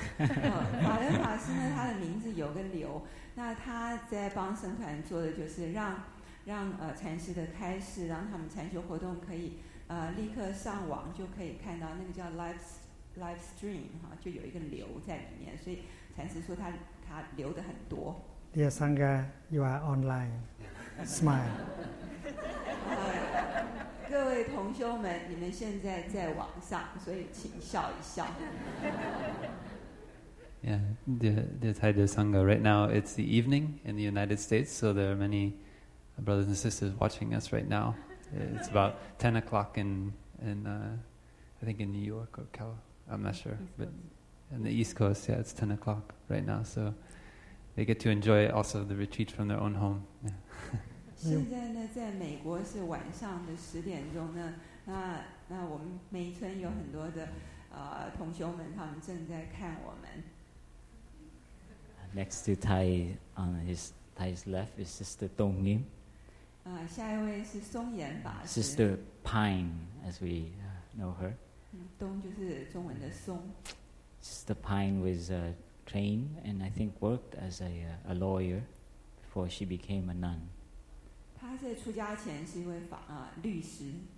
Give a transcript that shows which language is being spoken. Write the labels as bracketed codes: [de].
[zh] 法流法师呢，他的名字有个刘。那他在帮僧团做的就是让禅师的开示，让他们禅修活动可以立刻上网就可以看到，那个叫 live stream 哈，就有一个刘在里面，所以禅师说他留的很多。 [en] Dear Sangha, you are online. Smile. [zh] 各位同修们，你们现在在网上，所以请笑一笑。 [en] Yeah, the Thai Dev Sangha, right now it's the evening in the United States, so there are many brothers and sisters watching us right now. It's about 10 o'clock I think in New York or California, I'm not sure, but in the East Coast, yeah, it's 10 o'clock right now, so they get to enjoy also the retreat from their own home. Yeah. [zh] 现在呢，在美国是晚上的10点钟呢。那我们梅村有很多的同修们，他们正在看我们。 [en] Next to Tai on Tai's left is Sister Dong Yin. [zh] 啊，下一位是松岩法师。 [en] Sister Pine, as we know her. [zh] 东就是中文的松。 [en] Sister Pine was trained and I think worked as a lawyer before she became a nun. [zh] 他在出家前是一位律师。